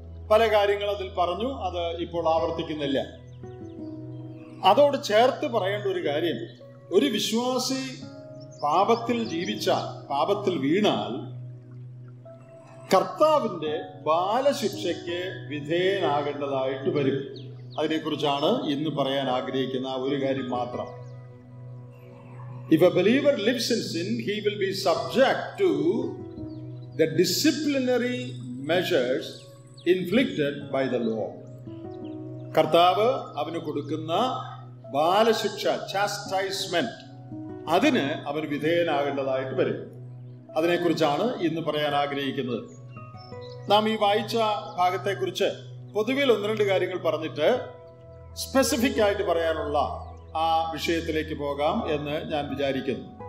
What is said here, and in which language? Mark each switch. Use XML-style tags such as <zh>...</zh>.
<ml>പല കാര്യങ്ങൾ അതിൽ പറഞ്ഞു, അത് ഇപ്പോൾ ആവർത്തിക്കുന്നില്ല. അതോട് ചേർത്ത് പറയേണ്ട ഒരു കാര്യം, ഒരു വിശ്വാസി പാപത്തിൽ ജീവിച്ചാൽ, പാപത്തിൽ വീണാൽ കർത്താവിന്റെ ബാലശിക്ഷയ്ക്ക് വിധേയനാകേണ്ടതായിട്ട് വരും. അതിനെക്കുറിച്ചാണ് ഇന്ന് പറയാൻ ആഗ്രഹിക്കുന്ന ആ ഒരു കാര്യം മാത്രം.</ml> <en>If a believer lives in sin, he will be subject to the disciplinary measures inflicted by the law.</en> <ml>കർത്താവ് അവന് കൊടുക്കുന്ന ബാലശിക്ഷ, chastisement, അതിന് അവൻ വിധേയനാകേണ്ടതായിട്ട് വരും. അതിനെക്കുറിച്ചാണ് ഇന്ന് പറയാൻ ആഗ്രഹിക്കുന്നത്. നാം ഈ വായിച്ച ഭാഗത്തെക്കുറിച്ച് പൊതുവിൽ 1-2 കാര്യങ്ങൾ പറഞ്ഞിട്ട് സ്പെസിഫിക് ആയിട്ട് പറയാനുള്ള ആ വിഷയത്തിലേക്ക് പോകാം എന്ന് ഞാൻ വിചാരിക്കുന്നു.</ml>